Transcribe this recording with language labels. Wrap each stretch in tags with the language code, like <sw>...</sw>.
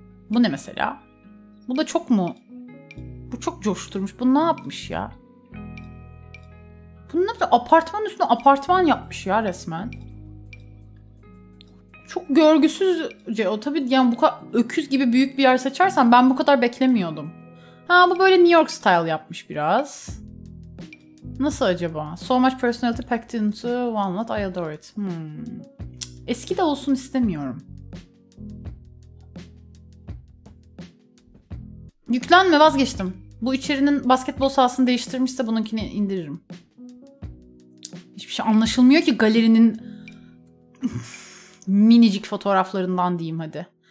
<tr>Bu ne mesela? Bu da çok mu? Bu çok coşturmuş. Bu ne yapmış ya? Bunun ne? Apartmanın üstüne apartman yapmış ya resmen. Çok görgüsüzce. O tabii yani, bu kadar öküz gibi büyük bir yer seçersen ben bu kadar beklemiyordum. Ha, bu böyle New York style yapmış biraz. Nasıl acaba?</tr> <en>So much personality packed into one lot. I adore it.</en> <tr>Eski de olsun istemiyorum. Yüklenme, vazgeçtim. Bu içerinin basketbol sahasını değiştirmişse bununkini indiririm. Hiçbir şey anlaşılmıyor ki galerinin minicik fotoğraflarından diyeyim hadi.</tr>